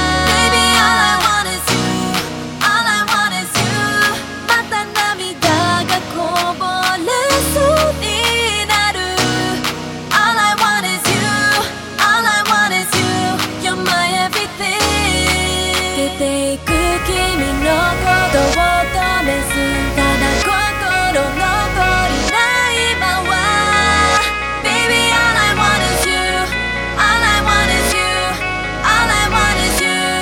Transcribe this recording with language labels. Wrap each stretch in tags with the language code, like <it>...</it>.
<en>Baby all I want is you, all I want is you。</en> <ja>また涙がこぼれそうになる。</ja> <en>All I want is you, all I want is you, you're my everything。</en> <ja>出ていく君のことを止めず、ただ心残りない今は。</ja> <en>Baby all I want is you, all I want is you, all I want is you。</en>